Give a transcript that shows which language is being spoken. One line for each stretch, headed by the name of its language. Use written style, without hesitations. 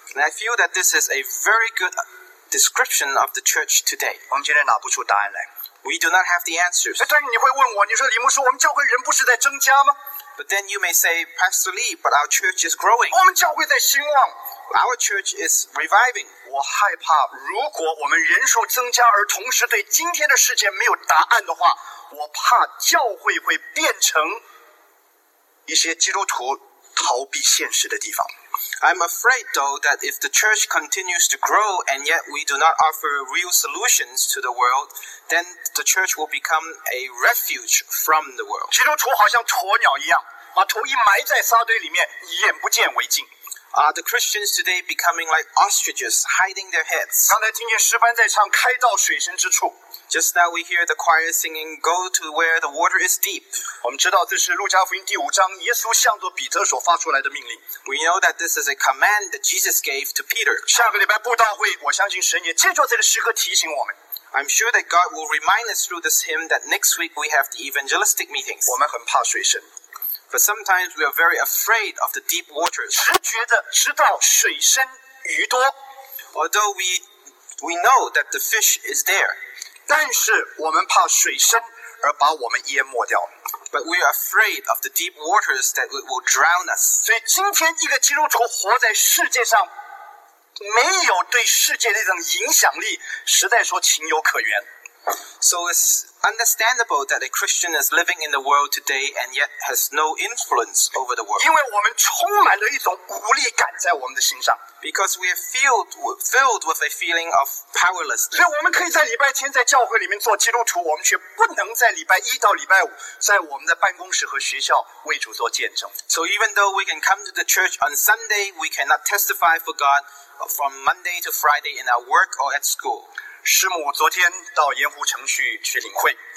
English: And I feel that this is a very good description of the church today.
Chinese: 我们今天拿不出答案来。
English: We do not have the answers.
Chinese: 但你会问我，你说李牧师，我们教会人不是在增加吗？
English: But then you may say, Pastor Lee, but our church is growing.
Chinese: 我们教会在兴旺。
English: Our church is reviving.
Chinese: 我害怕，如果我们人数增加而同时对今天的世界没有答案的话，我怕教会会变成。一些基督徒逃避现实的地方。
English: I'm afraid, though, that if the church continues to grow and yet we do not offer real solutions to the world, then the church will become a refuge from the world.
Chinese: 基督徒好像鸵鸟一样，把头一埋在沙堆里面，眼不见为净。
English: Are the Christians today becoming like ostriches, hiding their heads?
Chinese: 刚才听见诗班在唱《开到水深之处》。
English: Just now we hear the choir singing, "Go to where the water is deep."
Chinese: 我们知道这是路加福音第五章耶稣向着彼得所发出来的命令。
English: We know that this is a command that Jesus gave to Peter.
Chinese: 下个礼拜布道会，我相信神也借着这个诗歌提醒我们。
English: I'm sure that God will remind us through this hymn that next week we have the evangelistic meetings.
Chinese: 我们很怕水深。
English: But sometimes we are very afraid of the deep waters.
Chinese: 直觉的知道水深鱼多。
English: Although we know that the fish is there.
Chinese: 但是我们怕水深而把我们淹没掉。
English: But we are afraid of the deep waters that will drown us.
Chinese: 所以今天一个基督徒活在世界上，没有对世界那种影响力，实在说情有可原。
English: So it's understandable that a Christian is living in the world today and yet has no influence over the world.
Chinese: 因为我们充满了一种无力感在我们的心上。
English: Because we are filled with a feeling of powerlessness.
Chinese: 所以我们可以在礼拜天在教会里面做基督徒，我们却不能在礼拜一到礼拜五在我们的办公室和学校为主做见证。
English: So even though we can come to the church on Sunday, we cannot testify for God from Monday to Friday in our work or at school.
Chinese: 师母昨天到盐湖城去领会。